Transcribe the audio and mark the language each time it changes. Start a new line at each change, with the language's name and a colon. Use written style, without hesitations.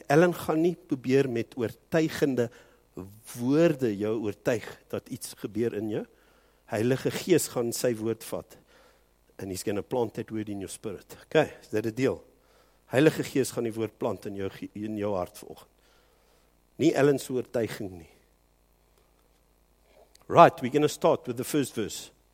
Afrikaans: Ellen gaan nie probeer met oortuigende woorde jou oortuig dat iets gebeur in jou. Heilige Gees gaan sy woord vat.
English: And he's going to plant that word in your spirit. Okay, is that a deal?
Afrikaans: Heilige Gees gaan die woord plant in jou hart vanoggend. Nie Ellen se oortuiging nie.
English: Right, we're going to start with the first verse.